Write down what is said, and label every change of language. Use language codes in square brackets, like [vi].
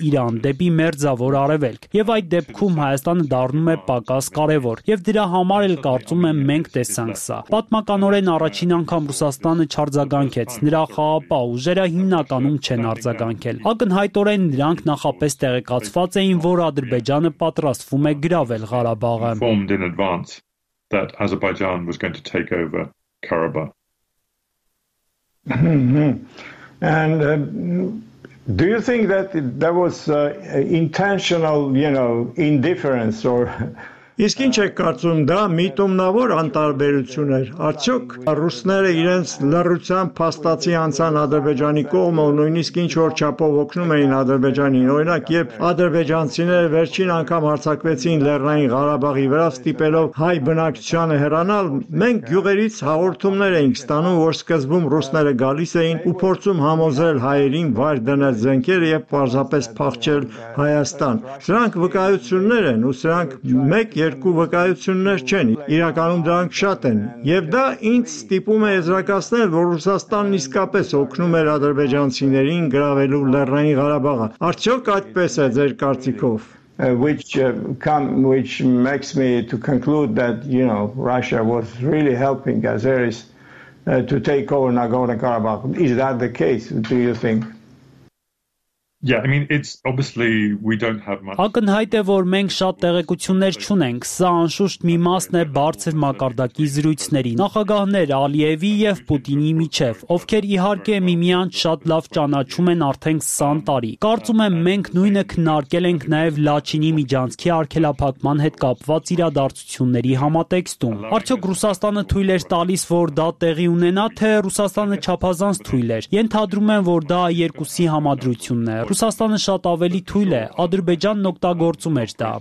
[hy] Իրան, դեպի մերձավոր արևելք, և այդ դեպքում Հայաստանը դառնում է պակաս կարևոր, և դրա համար էլ կարծում եմ մենք տեսանք սա։ Պատմականորեն առաջին անգամ Ռուսաստանը չարձագանքեց, նրա խաղապահ ուժերը հիմնականում չեն արձագանքել։ Ակնհայտորեն նրանք նախապես տեղեկացված էին, որ Ադրբեջանը պատրաստվում է գրավել Ղարաբաղը։ [en] In advance that Azerbaijan was going to take over Karabakh. And do you think that there was intentional, you know, indifference or... [hy] Իսկ ինչ եք կարծում, դա միտումնավոր անտարբերություն էր, արդյոք ռուսները իրենց լռության փաստացի անցան Ադրբեջանի կողմը ու նույնիսկ ինչ-որ չափով օգնում էին Ադրբեջանին, օրինակ երբ ադրբեջանցիները վերջին անգամ հարձակվեցին լեռնային Ղարաբաղի վրա ստիպելով հայ բնակչությանը հեռանալ, մենք գյուղերից հաղորդումներ էինք ստանում, որ սկզբում ռուսները գալիս էին ու փորձում համոզել հայերին վայր դնել զենքերը և պարզապես փախչել Հայաստան։ Սրանք վկայություններ են ու սրանք երկու վկայություններ չեն, իրականում դրանք շատ են, և դա ինձ ստիպում է եզրակացնել, որ Ռուսաստանն իսկապես օգնում էր ադրբեջանցիներին գրավելու լեռնային Ղարաբաղը։ Արդյոք այդպես է ձեր կարծիքով? [en] Which makes me to conclude that, you know, Russia was really helping Azeris to take over Nagorno-Karabakh. Is that the case, do you think? Yeah, I mean, it's obviously we don't have much. [hy] Ակնհայտ է, որ մենք շատ տեղեկություններ չունենք, սա անշուշտ մի մասն է բարձր մակարդակի զրույցների նախագահներ Ալիևի և Պուտինի միջև, ովքեր իհարկե միմյանց շատ լավ ճանաչում են արդեն 20 տարի։ Կարծում եմ, մենք նույնը քննարկել ենք նաև Լաչինի միջանցքի արգելափակման հետ կապված իրադարձությունների համատեքստում։ Արդյոք Ռուսաստանը թույլ էր տալիս, որ դա տեղի ունենա, թե Ռուսաստանը չափազանց թույլ էր։ Ենթադրում եմ, որ դա երկուսի համադրությունն է։ Ռուսաստանը շատ ավելի թույլ է, Ադրբեջանն օգտագործում էր դա,